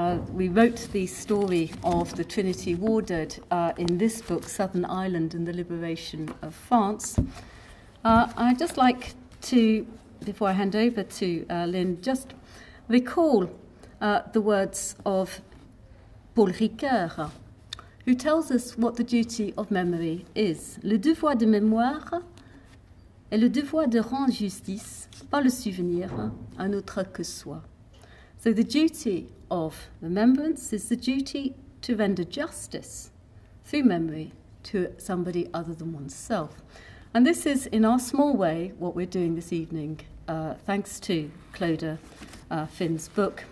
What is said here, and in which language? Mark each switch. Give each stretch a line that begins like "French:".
English: We wrote the story of the Trinity War Dead in this book, Southern Ireland and the Liberation of France. I'd just like to, before I hand over to Lynn, just recall the words of Paul Ricoeur, who tells us what the duty of memory is.
French: Le devoir de mémoire est le devoir de rendre justice par le souvenir à notre que soi.
English: So the duty of remembrance is the duty to render justice through memory to somebody other than oneself. And this is, in our small way, what we're doing this evening, thanks to Clodagh Finn's book.